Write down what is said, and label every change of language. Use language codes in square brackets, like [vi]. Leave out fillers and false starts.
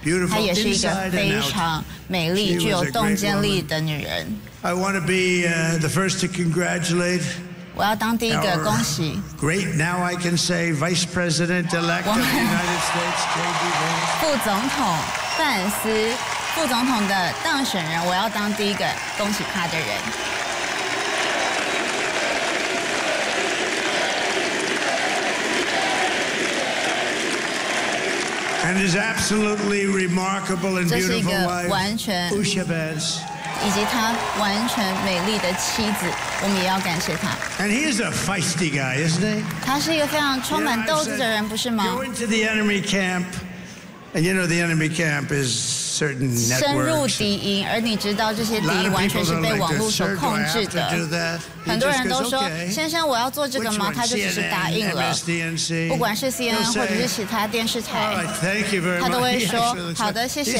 [zh] 她也是一个非常美丽、具有洞见力的女人。 [en] I want to be the first to congratulate. [zh] 我要当第一个恭喜。 [en] Great, now I can say Vice President-elect of the United States, J.D. Vance. [zh] 副总统范斯，副总统的当选人，我要当第一个恭喜他的人。 [en] And his absolutely remarkable and beautiful wife, Usha Bez, [zh] 以及他完全美丽的妻子，我们也要感谢他。 [en] And he is a feisty guy, isn't he? [zh] 他是一个非常充满斗志的人，不是吗？ [en] Go into the enemy camp, and you know the enemy camp is certain networks. [zh] 深入敌营，而你知道这些敌营完全是被网络所控制的。 [en] Do I have to do that? [zh] 很多人都说，先生，我要做这个吗？他就只是答应了。不管是 CNN 或者是其他电视台，他都会说，好的，谢谢。